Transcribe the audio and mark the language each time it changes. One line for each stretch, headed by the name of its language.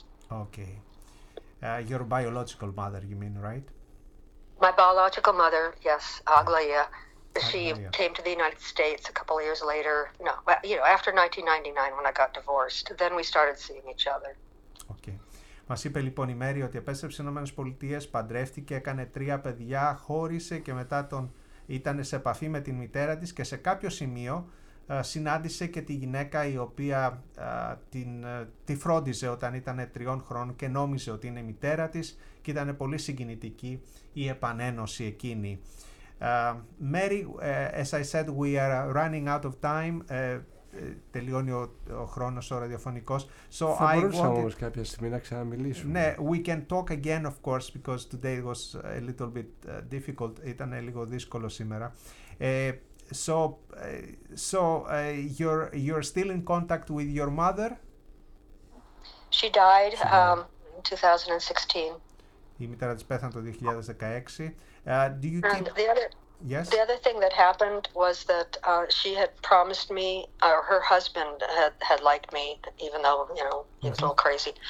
English: Okay. Your biological mother, you mean, right? My biological mother, yes, Aglaya, came to the United States a couple of years later. No, you know, after 1999 when I got divorced, then we started seeing each other. Okay.
Greek: Μας είπε λοιπόν η Μέρη ότι επέστρεψε στις Ηνωμένες Πολιτείες, παντρεύτηκε, έκανε 3 παιδιά, χώρισε και μετά τον ήταν σε επαφή με την μητέρα της και σε κάποιο σημείο συνάντησε και τη γυναίκα η οποία τη φρόντιζε όταν ήταν 3 χρόνων και νόμιζε ότι είναι η μητέρα της και ήταν πολύ συγκινητική η επανένωση εκείνη.
English: Mary, as I said, we are running out of time.
Greek: Τελειώνει ο χρόνος ο ραδιοφωνικός. So θα μπορούσα όμως κάποια στιγμή να ξαναμιλήσουμε.
English: Ναι, we can talk again, of course, because today was a little bit difficult.
Greek: Ήταν λίγο δύσκολο σήμερα.
English: So you're still in contact with your mother? She died in 2016.
Greek: Η μητέρα της πέθανε το 2016.
English: Do you keep... The other thing that happened was that she had promised me, or her husband had liked me, even though, you know, he was a little crazy.